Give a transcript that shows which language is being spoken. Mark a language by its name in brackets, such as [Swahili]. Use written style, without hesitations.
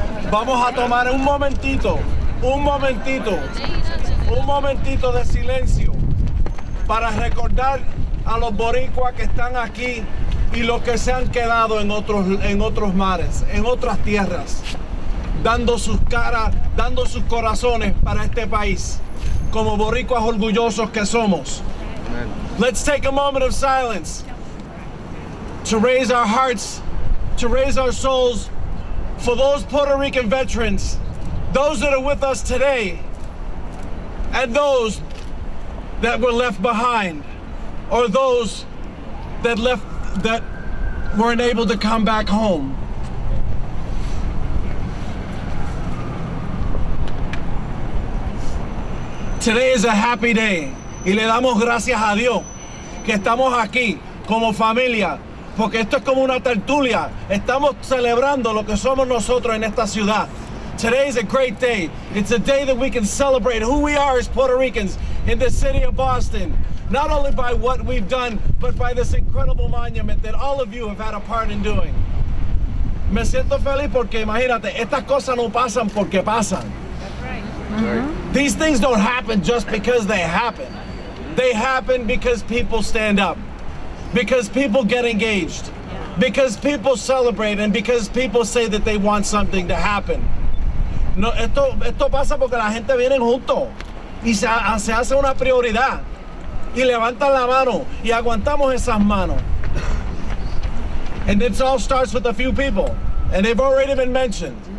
[Spanish] Vamos a tomar un momentito de silencio para recordar a los boricuas que están aquí y los que se han quedado en otros mares, en otras tierras, dando sus caras, dando sus corazones para este país. Como boricuas orgullosos que somos. Amen. [English] Let's take a moment of silence to raise our hearts, to raise our souls for those Puerto Rican veterans, those that are with us today, and those that were left behind, or those that weren't able to come back home. Today is a happy day, [Spanish] y le damos gracias a Dios que estamos aquí como familia, porque esto es como una tertulia. Estamos celebrando lo que somos nosotros en esta ciudad. [English] Today is a great day. It's a day that we can celebrate who we are as Puerto Ricans in the city of Boston, not only by what we've done, but by this incredible monument that all of you have had a part in doing. [Spanish] Me siento feliz porque imagínate, estas cosas no pasan porque pasan. [English] These things don't happen just because they happen. They happen because people stand up, because people get engaged, because people celebrate, and because people say that they want something to happen. [Spanish] No, esto pasa porque la gente viene junto y se hace una prioridad y levantan la mano y aguantamos esas manos. [English] And it all starts with a few people, and they've already been mentioned.